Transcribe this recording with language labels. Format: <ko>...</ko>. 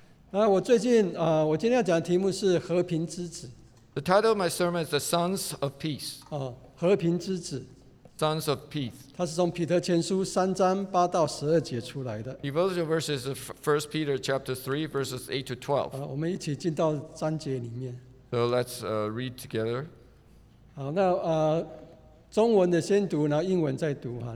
<zh>我最近我今天要讲的题目是和平之子。</zh> <en>The title of my sermon is The Sons of Peace.</en> <zh>和平之子。</zh> <en>Sons of Peace.</en> <zh>它是从彼得前书三章八到十二节出来的。</zh> <en>Devotional verses of 1 Peter chapter 3 verses 8 to 12.</en> <zh>我们一起进到章节里面。</zh> <en>So let's read together.</en> <zh>好，那中文的先读，然后英文再读哈。</zh>